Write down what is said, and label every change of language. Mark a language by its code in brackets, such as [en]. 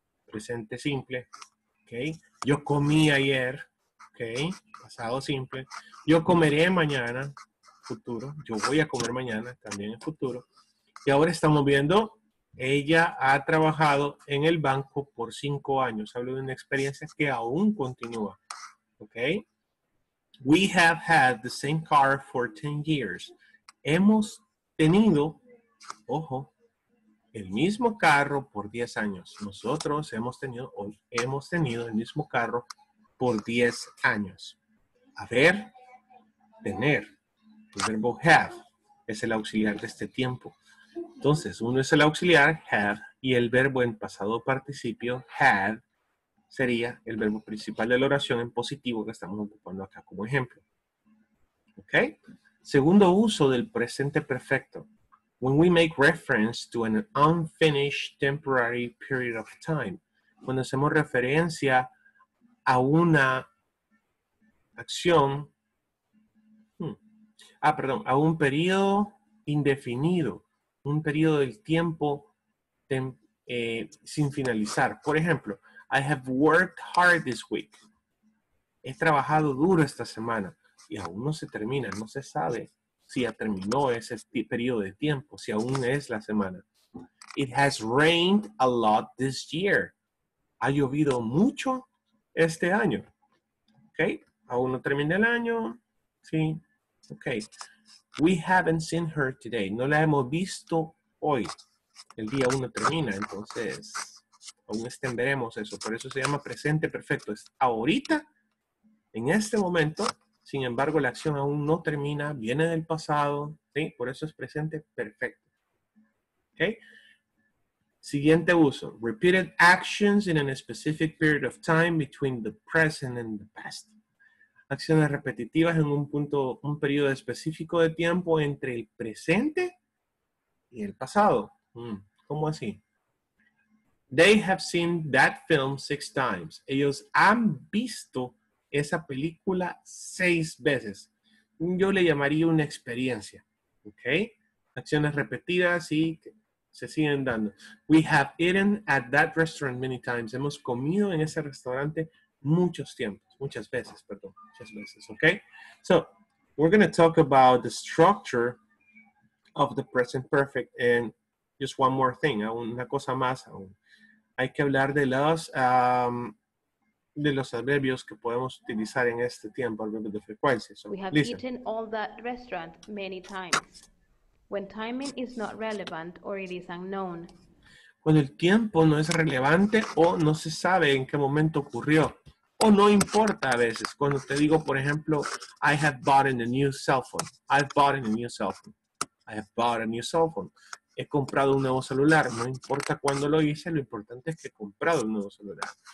[es] presente simple. Okay. Yo comí ayer. Okay. Pasado simple. Yo comeré mañana. Futuro. Yo voy a comer mañana. También en futuro. Y ahora estamos viendo. Ella ha trabajado en el banco por 5 años. Hablo de una experiencia que aún continúa. Okay. [en] We have had the same car for 10 years. [es] Hemos tenido, ojo, el mismo carro por 10 años. Nosotros hemos tenido el mismo carro por 10 años. A ver, tener. El verbo have es el auxiliar de este tiempo. Entonces, uno es el auxiliar, have, y el verbo en pasado participio, had, sería el verbo principal de la oración en positivo que estamos ocupando acá como ejemplo. ¿Ok? Segundo uso del presente perfecto. [en] When we make reference to an unfinished temporary period of time. [es] Cuando hacemos referencia a una acción. A un periodo indefinido. Un periodo del tiempo sin finalizar. Por ejemplo, [en] I have worked hard this week. [es] He trabajado duro esta semana. Y aún no se termina. No se sabe si ya terminó ese periodo de tiempo. Si aún es la semana. [en] It has rained a lot this year. [es] Ha llovido mucho este año. ¿Ok? Aún no termina el año. Sí. ¿Ok? [en] We haven't seen her today. [es] No la hemos visto hoy. El día aún no termina. Entonces... aún extenderemos eso. Por eso se llama presente perfecto. Es ahorita, en este momento. Sin embargo, la acción aún no termina. Viene del pasado. ¿Sí? Por eso es presente perfecto. ¿Okay? Siguiente uso. [en] Repeated actions in a specific period of time between the present and the past. [es] Acciones repetitivas en un punto, un periodo específico de tiempo entre el presente y el pasado. ¿Cómo así? [en] They have seen that film 6 times. [es] Ellos han visto esa película 6 veces. Yo le llamaría una experiencia. Okay? Acciones repetidas y se siguen dando. [en] We have eaten at that restaurant many times. [es] Hemos comido en ese restaurante muchas veces. [en] Okay? So, we're going to talk about the structure of the present perfect. And just one more thing. [es] Una cosa más aún. Hay que hablar de los adverbios que podemos utilizar en este tiempo, adverbios de frecuencia. [en] So, we have listen. Eaten all that restaurant many times. When timing is not relevant or it is unknown. [es] Cuando el tiempo no es relevante o no se sabe en qué momento ocurrió. O no importa a veces. Cuando te digo, por ejemplo, [en] I have bought a new cell phone. [es] He comprado un nuevo celular. No importa cuándo lo hice, lo importante es que he comprado un nuevo celular.